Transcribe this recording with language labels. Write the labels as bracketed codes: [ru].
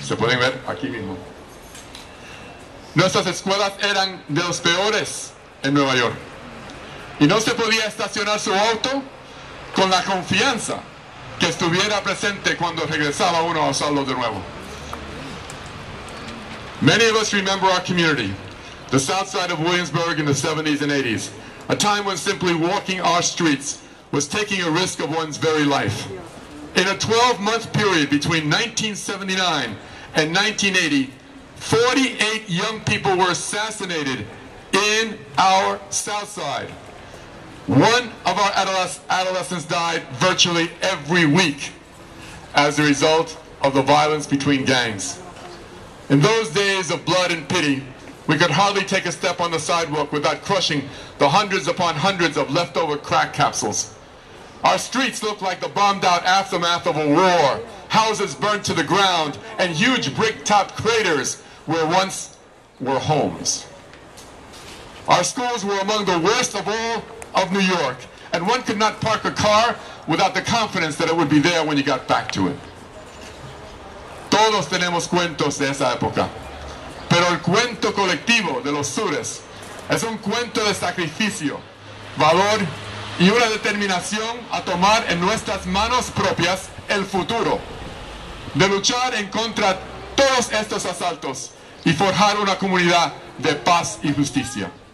[es] Se pueden ver aquí mismo. Nuestras escuelas eran de los peores en Nueva York. Y no se podía estacionar su auto con la confianza que estuviera presente cuando regresaba uno a usarlo de nuevo. [en] Many of us remember our community, the south side of Williamsburg in the 70s and 80s, a time when simply walking our streets was taking a risk of one's very life. In a 12-month period between 1979 and 1980, 48 young people were assassinated in our south side. One of our adolescents died virtually every week as a result of the violence between gangs. In those days of blood and pity, we could hardly take a step on the sidewalk without crushing the hundreds upon hundreds of leftover crack capsules. Our streets looked like the bombed out aftermath of a war, houses burnt to the ground, and huge brick-topped craters where once were homes. Our schools were among the worst of all of New York, and one could not park a car without the confidence that it would be there when you got back to it. [es] Todos tenemos cuentos de esa época, pero el cuento colectivo de los sures es un cuento de sacrificio, valor y una determinación a tomar en nuestras manos propias el futuro, de luchar en contra de todos estos asaltos y forjar una comunidad de paz y justicia.